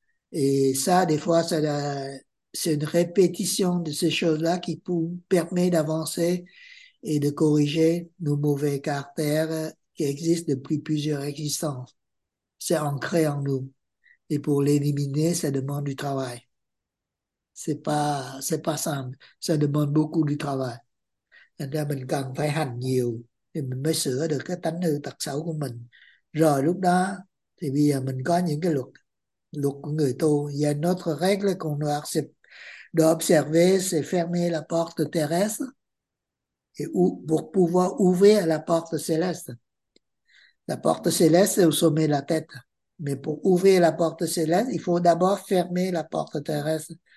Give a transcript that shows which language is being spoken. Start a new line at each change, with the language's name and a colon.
French: Et ça, des fois, c'est une répétition de ces choses-là qui permet d'avancer et de corriger nos mauvais caractères qui existent depuis plusieurs existences. C'est ancré en nous. Et pour l'éliminer, ça demande du travail. C'est pas simple. Ça demande beaucoup du travail.
Vietnamese: Nên ra mình cần phải hành nhiều thì mình mới sửa được cái tánh hư tật xấu của mình. Rồi lúc đó thì bây giờ mình có những cái luật luật của người tu.
French: Il y a une autre règle qu'on doit observer, c'est fermer la porte terrestre et ou pour pouvoir ouvrir la porte céleste. La porte céleste est au sommet de la tête. Mais pour ouvrir la porte céleste, il faut d'abord fermer la porte terrestre.